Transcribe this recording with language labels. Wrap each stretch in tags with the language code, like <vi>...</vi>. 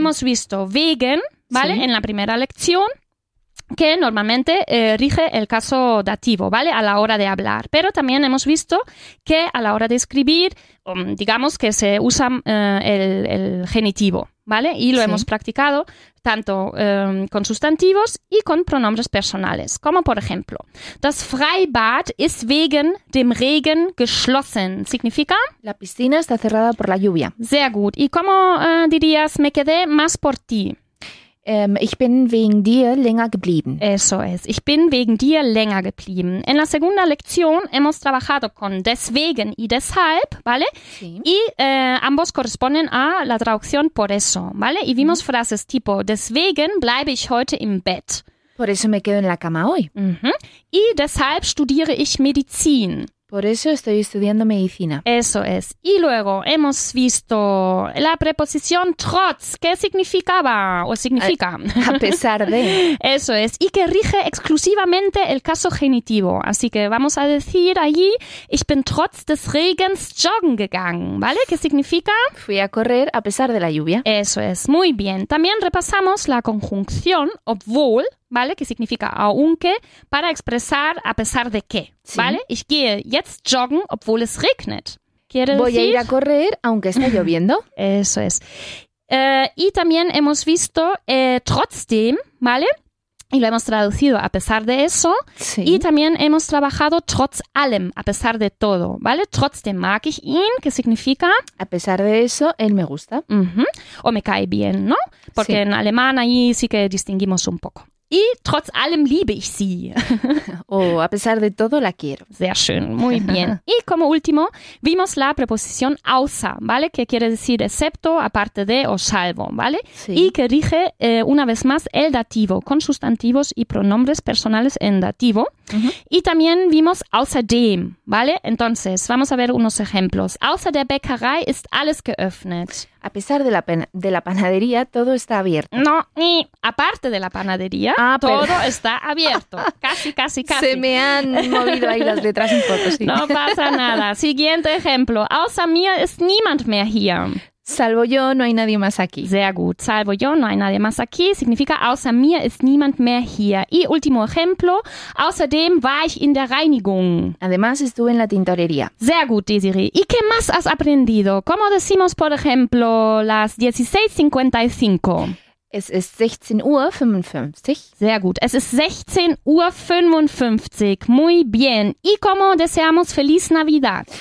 <es>Hemos visto wegen, ¿vale? Sí. En la primera lección, que normalmente rige el caso dativo, ¿vale? A la hora de hablar. Pero también hemos visto que a la hora de escribir, digamos que se usa el genitivo, ¿vale? Y lo hemos practicado tanto con sustantivos y con pronombres personales. Como por ejemplo,</es> <de>das Freibad ist wegen dem Regen geschlossen.</de> <es>¿Significa? La piscina está cerrada por la lluvia.</es> <de>Sehr gut.</de> <es>¿Y cómo dirías me quedé más por ti?</es> <de>Ich bin wegen dir länger geblieben.</de> <es>Eso es.</es> <de>Ich bin wegen dir länger geblieben.</de> <es>En la segunda lección hemos trabajado con deswegen y deshalb, ¿vale? Sí. Y ambos corresponden a la traducción por eso, ¿vale? Y vimos frases tipo,</es> <de>deswegen bleibe ich heute im Bett.</de> <es>Por eso me quedo en la cama hoy. Uh-huh.</es> <de>Y deshalb studiere ich Medizin.</de> <es>Por eso estoy estudiando medicina. Eso es. Y luego hemos visto la preposición trotz. ¿Qué significaba o significa? A pesar de. Eso es. Y que rige exclusivamente el caso genitivo. Así que vamos a decir allí,</es> <de>ich bin trotz des Regens joggen gegangen.</de> <es>¿Vale? ¿Qué significa? Fui a correr a pesar de la lluvia. Eso es. Muy bien. También repasamos la conjunción obwohl. ¿Vale? Que significa aunque, para expresar a pesar de qué. Sí. ¿Vale?</es> <de>Ich gehe jetzt joggen, obwohl es regnet.</de> <es>¿Quiere Voy decir? A ir a correr, aunque esté lloviendo. Eso es. Y también hemos visto trotzdem, ¿vale? Y lo hemos traducido a pesar de eso. Sí. Y también hemos trabajado</es> <de>trotz allem,</de> <es>a pesar de todo, ¿vale?</es> <de>Trotzdem mag ich ihn,</de> <es>que significa... A pesar de eso, él me gusta. Uh-huh. O me cae bien, ¿no? Porque sí. En alemán ahí sí que distinguimos un poco.</es> <de>Y trotz allem liebe ich sie.</de> <es>Oh, a pesar de todo la quiero.</es> <de>Sehr schön,</de> <es>muy bien. Y como último, vimos la preposición außer, ¿vale? Que quiere decir excepto, aparte de o salvo, ¿vale? Sí. Y que rige una vez más el dativo con sustantivos y pronombres personales en dativo. Uh-huh. Y también vimos außerdem, ¿vale? Entonces, vamos a ver unos ejemplos.</es> <de>Außer der Bäckerei ist alles geöffnet.</de> <es>A pesar de la panadería, todo está abierto. No, ni aparte de la panadería, todo está abierto. Casi. Se me han movido ahí las letras un poco, sí. No pasa nada. Siguiente ejemplo.</es> <de>Außer mir ist niemand mehr hier.</de> <es>Salvo yo, no hay nadie más aquí.</es> <de>Sehr gut.</de> <es>Salvo yo, no hay nadie más aquí. Significa,</es> <de>außer mir ist niemand mehr hier.</de> <es>Y último ejemplo.</es> <de>Außerdem war ich in der Reinigung.</de> <es>Además, estuve en la tintorería.</es> <de>Sehr gut,</de> <es>Desiree. ¿Y qué más has aprendido? ¿Cómo decimos, por ejemplo, las 16:55?</es> <de>Es ist 16:55. Sehr gut. Es ist 16:55.</de> <es>Muy bien. ¿Y cómo deseamos Feliz Navidad?</es>